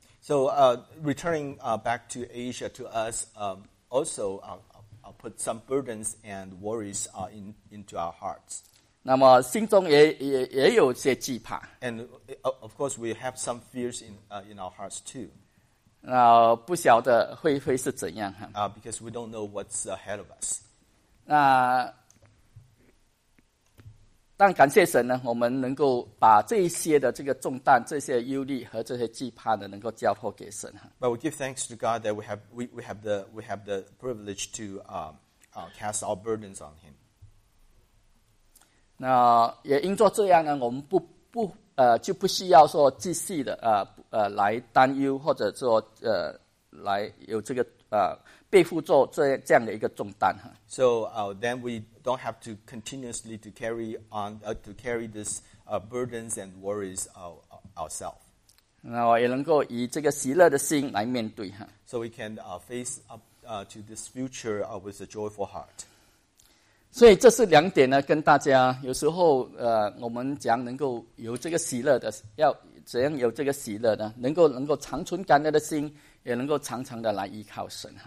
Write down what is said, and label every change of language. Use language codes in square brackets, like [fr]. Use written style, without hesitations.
[en] So returning back to Asia to us also put some burdens and worries into our hearts. [zh] 那么心中也有些惧怕。 [en] And of course we have some fears in our hearts too. [zh] 那不晓得会是怎样哈。 [en] Because we don't know what's ahead of us. [zh] 那但感谢神呢，我们能够把这一些的这个重担、这些忧虑和这些惧怕呢，能够交托给神。 [en] But we give thanks to God that we have the privilege to cast our burdens on Him. [zh] 那也因着这样呢，我们就不需要说继续的来担忧，或者说来有这个背负做这样的一个重担哈。 [en] So then we don't have to continuously to carry on to carry this burdens and worries ourselves. [zh] 那我也能够以这个喜乐的心来面对哈。 [en] So we can face up to this future with a joyful heart. [zh] 所以这是两点呢，跟大家有时候我们讲能够有这个喜乐的，要怎样有这个喜乐呢？能够长存感恩的心，也能够常常的来依靠神。